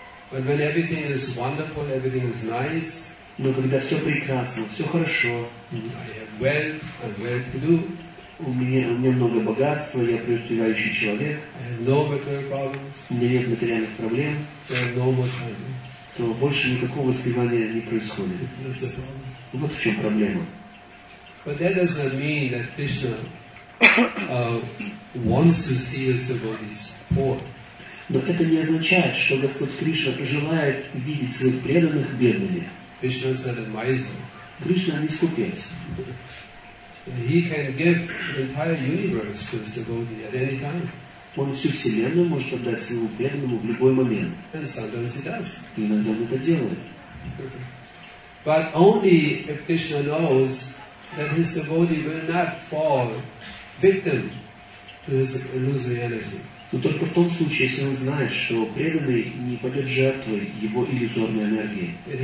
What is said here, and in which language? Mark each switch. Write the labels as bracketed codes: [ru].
[en] But when everything is wonderful, everything is nice. [ru] Но когда все прекрасно, все хорошо. [en] I have wealth. [ru] У меня много богатства, я преуспевающий человек. [en] I have no material problems. [ru] У меня нет материальных проблем. [en] I have no more time. [ru] То больше никакого воспевания не происходит. [en] That's the problem. [ru] Вот в чем проблема. [en] But that doesn't mean that Krishna wants to see his devotees poor. [ru] Но это не означает, что Господь Кришна желает видеть своих преданных бедными. [en] Krishna is an advisor. [ru] Кришна не скупец. [en] He can give the entire universe to his devotee at any time. [ru] Он всю вселенную может отдать своему преданному в любой момент. [en] And sometimes he does. [ru] И иногда он это делает. [en] But only if Krishna knows that his devotee will not fall victim to his illusory energy. [ru] Но только в том случае, если он знает, что преданный не пойдет жертвой его иллюзорной энергии.